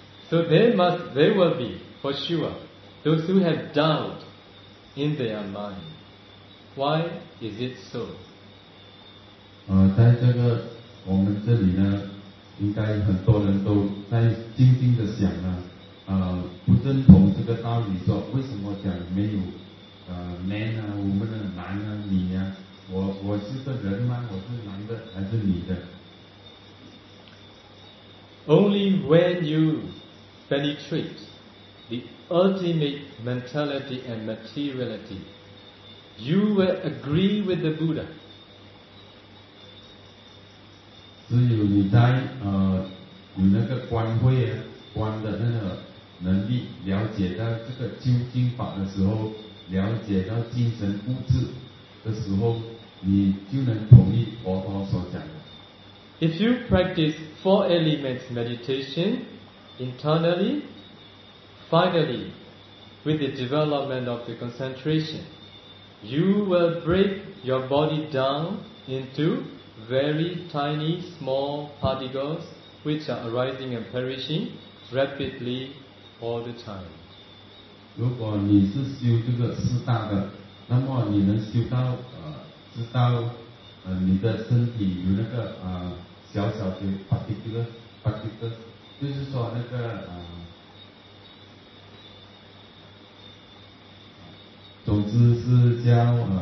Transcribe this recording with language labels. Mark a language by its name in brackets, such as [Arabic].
[English] So they will be, for sure, those who have doubt in their mind. Why is it so? [Chinese] 在这个我们这里呢，应该很多人都在静静的想啊，不认同这个道理，说为什么讲没有man 啊，我们的男啊，女啊，我是个人吗？我是男的还是女的？ [English] Only when you penetrate the ultimate mentality and materiality, you will agree with the Buddha. [Chinese] 只有你在有那个观慧啊，观的那个能力，了解到这个究竟法的时候，了解到精神物质的时候，你就能同意佛陀所讲的。 [English] If you practice four elements meditation internally, finally, with the development of the concentration, you will break your body down into very tiny small particles which are arising and perishing rapidly all the time. [Chinese] 如果你是修这个四大的，那么你能修到知道你的身体有那个小小的 particle， 就是说那个总之是叫